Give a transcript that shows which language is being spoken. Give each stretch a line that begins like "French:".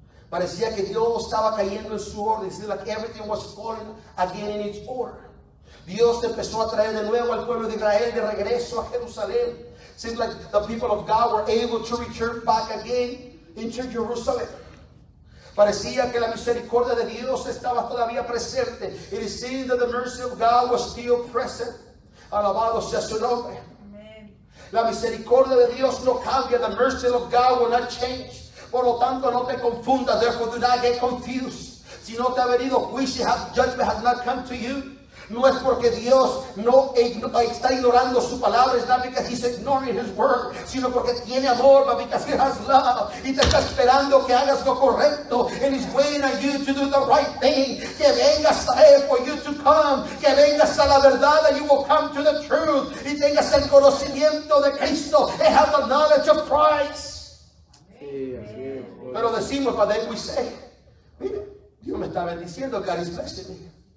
Spanish: Parecía que Dios estaba cayendo en su orden.
English: It seemed like everything was falling again in its order.
Spanish: Dios empezó a traer de nuevo al pueblo de Israel de regreso a Jerusalén.
English: It seemed like the people of God were able to return back again into Jerusalem.
Spanish: Parecía que la misericordia de Dios estaba todavía presente.
English: It seemed that the mercy of God was still present.
Spanish: Alabado sea su nombre. Amen. La misericordia de Dios no cambia.
English: The mercy of God will not change.
Spanish: Por lo tanto, no te confundas.
English: Therefore, do not get confused.
Spanish: Si no te ha venido juicio,
English: judgment has not come to you.
Spanish: No es porque Dios no está ignorando su palabra.
English: It's not because he's ignoring his word.
Spanish: Sino porque tiene amor,
English: but because he has love.
Spanish: Y te está esperando que hagas lo correcto.
English: And he's waiting on you to do the right thing.
Spanish: Que vengas a él
English: for you to come.
Spanish: Que vengas a la verdad
English: and you will come to the truth.
Spanish: Y tengas el conocimiento de Cristo.
English: And have the knowledge of Christ.
Spanish: Pero decimos,
English: but then we say,
Spanish: mire, Dios me está bendiciendo,
English: God is blessing me.